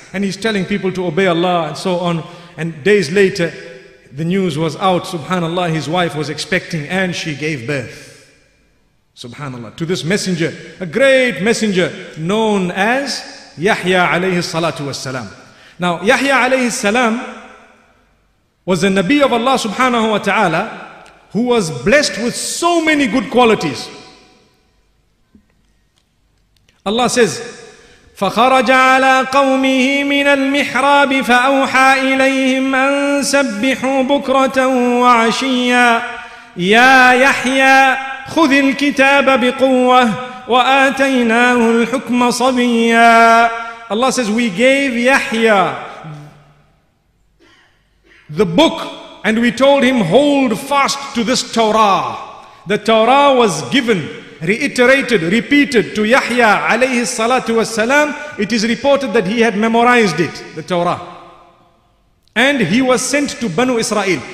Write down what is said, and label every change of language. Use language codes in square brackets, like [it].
[en] And he's telling people to obey Allah and so on. And days later, the news was out, subhanallah, his wife was expecting and she gave birth, subhanallah, to this messenger, a great messenger known as Yahya alayhi salatu wassalam. Now Yahya alayhi salam was a Nabi of Allah subhanahu wa ta'ala who was blessed with so many good qualities. Allah says, [ar] فخرج على قومه من المحراب فأوحى إليهم أن سبحوا بكرة وعشيا يا يحيى خذ الكتاب بقوة وآتيناه الحكم صبيا. [en] Allah says, we gave Yahya the book and we told him, hold fast to this Torah. The Torah was given, reiterated, repeated to Yahya alayhi salatu wassalam. It is reported that he had memorized it, the Torah. And he was sent to Banu Israel.